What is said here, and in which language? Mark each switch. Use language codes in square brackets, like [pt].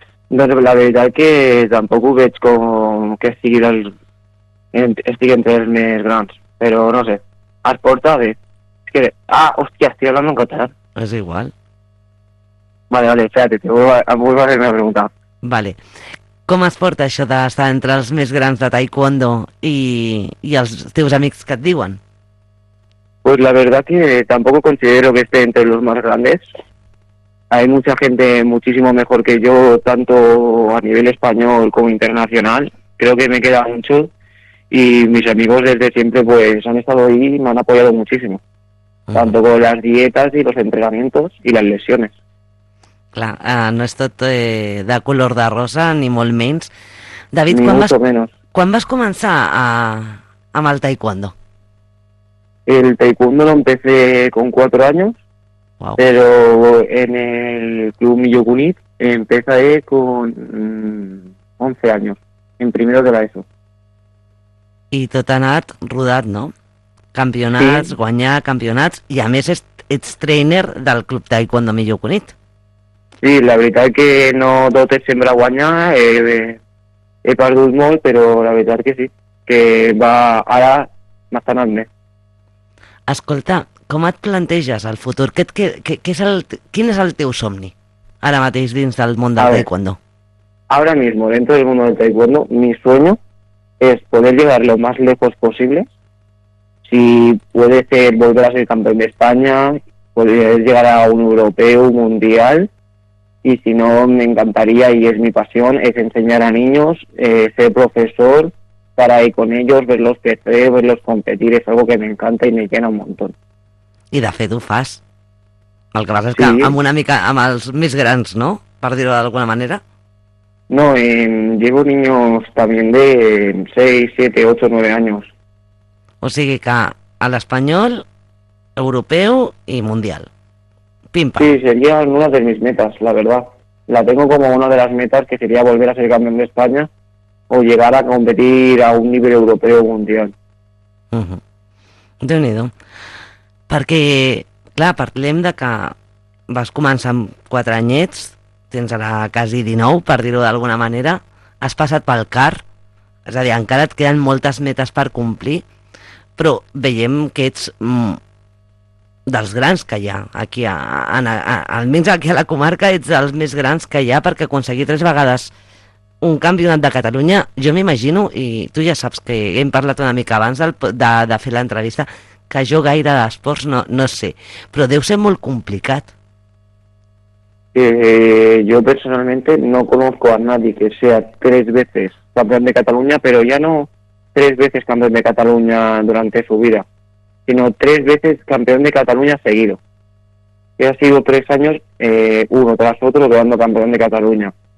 [ca] Doncs la veritat que tampoc ho veig com que estigui entre els més grans, però no sé, es porta bé. És que, estic parlant en català. És igual. [es] Vale, espérate, [ca] vull fer una pregunta. Vale. Com es porta això d'estar entre els més grans de taekwondo i els teus amics que et diuen? [es] Pues la verdad que tampoc considero que esté entre los más grandes. Hay mucha gente muchísimo mejor que yo, tanto a nivel español como internacional. Creo que me queda mucho y mis amigos desde siempre pues han estado ahí y me han apoyado muchísimo. Tanto con las dietas y los entrenamientos y las lesiones. [ca] Clar, no és tot de color de rosa, ni molt menys. David, quan vas començar amb el taekwondo? [es] El taekwondo lo empecé con 4 años, wow. Pero en el club Millokunit empecé con 11 años, en primero de la ESO. [ca] I tot ha anat rodat, no? Campionats, sí. Guanyar campionats, i a més ets trainer del Club Taekwondo Millor Cunit. Sí, la veritat que no tot et sembla guanyar, he perdut molt, però la veritat que sí, que va ara m'està anant bé. Escolta, com et planteges el futur? Quin és el teu somni ara mateix dins del món del taekwondo? [es] Ahora mismo, dentro del mundo del taekwondo, mi sueño es poder llegar lo más lejos posible. Si puede ser volver a ser campeón de España, poder llegar a un europeo, un mundial. Y si no, me encantaría, y es mi pasión, es enseñar a niños, ser profesor, para ir con ellos, verlos crecer, verlos competir. Es algo que me encanta y me llena un montón. [ca] I de fet ho fas. El que passa és que amb una mica amb els més grans, no? Per dir-ho d'alguna manera. [es] No, llevo niños también de 6, 7, 8, 9 años. [ca] O sigui que a l'espanyol, europeu i mundial. Pimpa. [es] Sí, sería una de mis metas, la verdad. La tengo como una de las metas, que sería volver a ser campeón de España o llegar a competir a un nivel europeo mundial. [ca] Déu-n'hi-do. Perquè, clar, parlem de que vas començar amb 4 anyets, tens ara quasi 19, per dir-ho d'alguna manera, has passat pel CAR, és a dir, encara et queden moltes metes per complir, però veiem que ets dels grans que hi ha aquí, almenys aquí a la comarca, ets dels més grans que hi ha, perquè aconseguir 3 vegades un campionat de Catalunya, jo m'imagino, i tu ja saps que hem parlat una mica abans de fer l'entrevista, que jo gaire d'esports no sé, però deu ser molt complicat. [es] Yo personalmente no conozco a nadie que sea 3 veces campeón de Cataluña, pero ya no 3 veces campeón de Cataluña durante su vida, sino 3 veces campeón de Cataluña seguido. Que ha sido 3 años, uno tras otro, quedando campeón de Cataluña.